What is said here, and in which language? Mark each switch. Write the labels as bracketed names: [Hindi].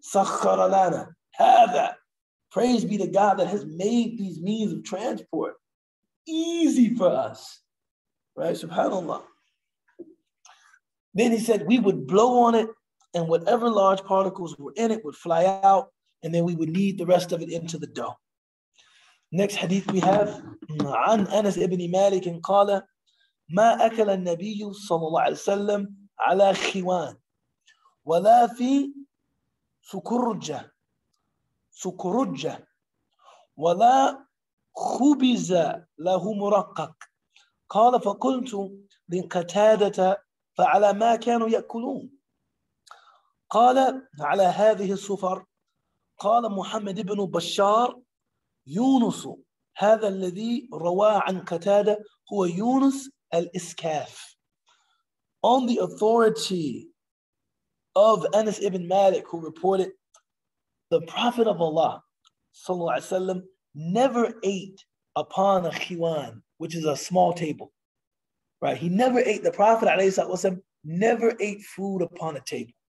[English] Sakhara lana. Hada. Praise be to God that has made these means of transport. easy for us, right? SubhanAllah. Then he said, we would blow on it and whatever large particles were in it would fly out, and then we would knead the rest of it into the dough. Next hadith we have, [Arabic] عن أنس ابن مالك قال ما أكل النبي صلى الله عليه وسلم على خوان ولا في سكرجة سكرجة ولا خبز له مرقق قال فقلت لقتادة فعلى ما كانوا يأكلون قال على هذه السفر قال محمد بن بشار يونس هذا الذي رواه عن قتادة هو يونس الإسكاف. [English] On the authority of Anas ibn Malik, who reported, the Prophet of Allah sallallahu alaihi wasallam never ate upon a khiwan, which is a small table, right? He never ate, the Prophet alayhi salatu wasallam never ate food upon a table.